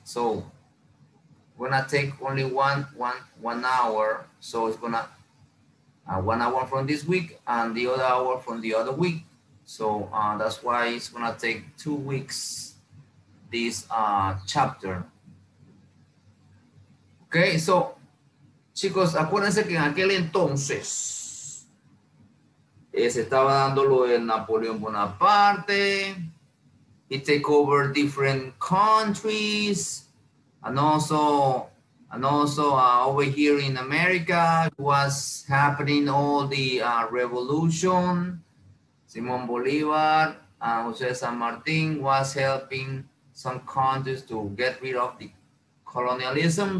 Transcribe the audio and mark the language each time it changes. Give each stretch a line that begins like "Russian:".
English: So we're gonna take only one hour. So it's gonna 1 hour from this week and the other hour from the other week. So that's why it's gonna take 2 weeks, this chapter.
Spanish: Okay, so chicos, acuérdense que en aquel entonces se estaba dando lo de Napoleón Bonaparte.
English: He take over different countries. And also, over here in America was happening all the revolution. Simón Bolívar and José San Martín was helping some countries to get rid of the colonialism.